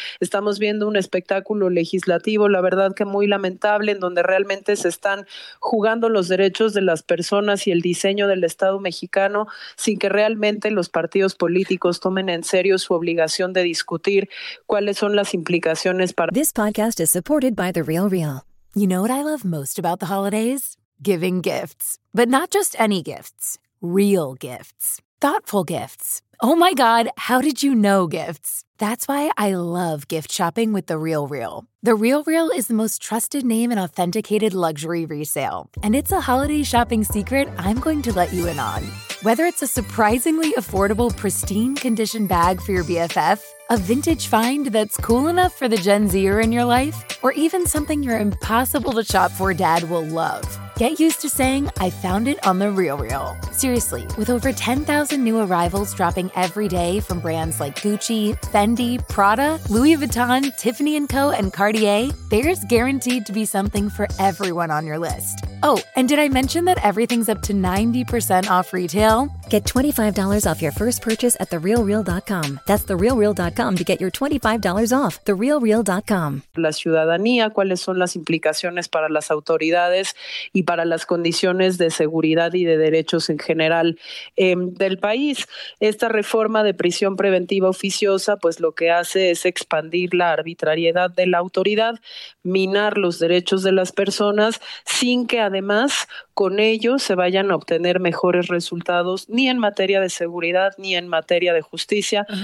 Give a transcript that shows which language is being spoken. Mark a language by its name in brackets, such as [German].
[Spanish] Estamos viendo un espectáculo legislativo, la verdad que muy lamentable, en donde realmente se están jugando los derechos de las personas y el diseño del Estado mexicano sin que realmente los partidos políticos tomen en serio su obligación de discutir cuáles son las implicaciones para. [English] This podcast is supported by The Real Real. You know what I love most about the holidays? Giving gifts. But not just any gifts. Real gifts. Thoughtful gifts. Oh my God, how did you know gifts? That's why I love gift shopping with The RealReal. The RealReal is the most trusted name in authenticated luxury resale. And it's a holiday shopping secret I'm going to let you in on. Whether it's a surprisingly affordable pristine condition bag for your BFF, a vintage find that's cool enough for the Gen Zer in your life, or even something you're impossible to shop for dad will love. Get used to saying, I found it on The RealReal. Seriously, with over 10,000 new arrivals dropping every day from brands like Gucci, Fendi, Prada, Louis Vuitton, Tiffany & Co., and Cartier, there's guaranteed to be something for everyone on your list. Oh, and did I mention that everything's up to 90% off retail? Get $25 off your first purchase at TheRealReal.com. That's TheRealReal.com to get your $25 off. TheRealReal.com. [Spanish] La ciudadanía, ¿cuáles son las implicaciones para las autoridades y para las condiciones de seguridad y de derechos en general del país? Esta reforma de prisión preventiva oficiosa, pues lo que hace es expandir la arbitrariedad de la autoridad, minar los derechos de las personas, sin que además con ello se vayan a obtener mejores resultados, ni en materia de seguridad, ni en materia de justicia,